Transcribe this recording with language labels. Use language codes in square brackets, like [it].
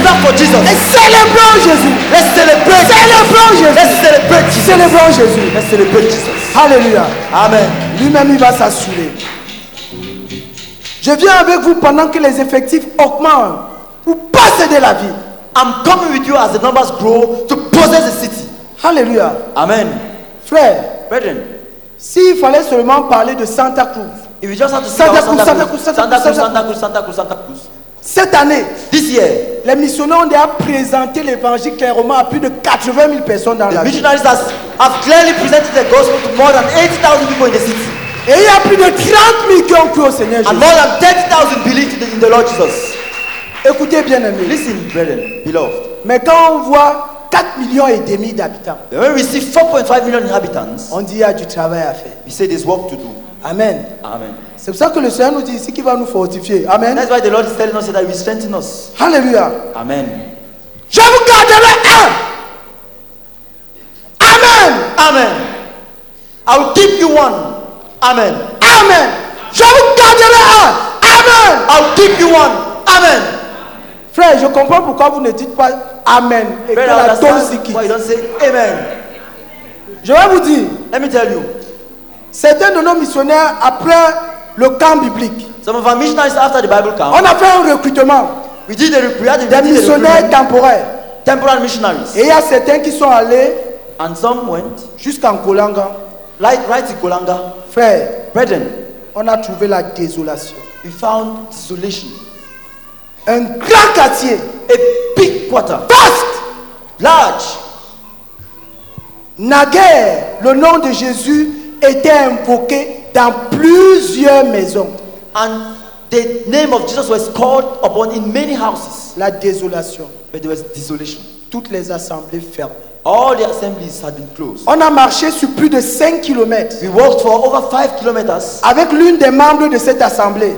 [en] Let's clap for Jesus. [fr] Et célébrons Jésus. [en] Let's celebrate. [fr] Célébrons Jésus. [en] Let's celebrate Jesus. [fr] Célébrons Jésus. [en] Let's celebrate Jesus. Hallelujah. Amen. [fr] Lui-même il va s'assurer. Je viens avec vous pendant que les effectifs augmentent pour posséder la ville. [en] I'm coming with you as the numbers grow to possess the city. Hallelujah. Amen. [fr] Frère. [en] Brethren. [fr] S'il fallait seulement parler de Santa Cruz. [en] If you just have to say Santa Cruz. [fr] Cette année. [en] This year. [fr] Les missionnaires ont déjà présenté l'évangile clairement à plus de 80 000 personnes dans la ville. [en] The missionaries have clearly presented the gospel to more than 80,000 people in the city. [fr] Et il y a plus de 30 000 qui ont cru au Seigneur Jésus. [en] And more than 30,000 believed in the Lord Jesus. [fr] Écoutez bien aimé. [en] Listen, brethren, beloved. [fr] Mais quand on voit 4 millions et demi d'habitants, [en] when we see 4.5 million inhabitants, [fr] on dit il y a du travail à faire. [en] We say there's work to do. Amen. Amen. [fr] C'est pour ça que le Seigneur nous dit ici qu'il va nous fortifier. Amen. [en] That's why the Lord is telling us that he will strengthen us. Hallelujah. Amen. [fr] Je vous garderai un. Amen. [en] Amen. I will keep you one. Amen. [fr] Amen. Je vous garderai un. Amen. [en] I'll keep you one. Amen. [fr] Frère, je comprends pourquoi vous ne dites pas amen et Frère, que la tonne se quitte. [en] Why you don't say amen? [fr] Je vais vous dire. [en] Let me tell you. [fr] Certains de nos missionnaires après le camp biblique. [en] Some of our missionaries after the Bible camp. [fr] On a fait un recrutement. [en] We did a recruitment. [fr] Des missionnaires temporaires. [en] Temporary missionaries. [fr] Et il y a certains qui sont allés. [en] And some went. [fr] Jusqu'en Kolanga. [en] Like right in Kolanga. [fr] Frère, [en] brethren, [fr] on a trouvé la désolation. [en] We found desolation. [fr] Un grand quartier, [en] a big quarter, vast, large. [fr] Naguère, le nom de Jésus était invoqué dans plusieurs maisons. [en] And the name of Jesus was called upon in many houses. [fr] La désolation. [en] But there was desolation. [fr] Toutes les assemblées fermées. [en] All the assemblies had been closed. [fr] On a marché sur plus de 5 kilomètres. [en] We walked for over 5 kilometers. [fr] Avec l'une des membres de cette assemblée.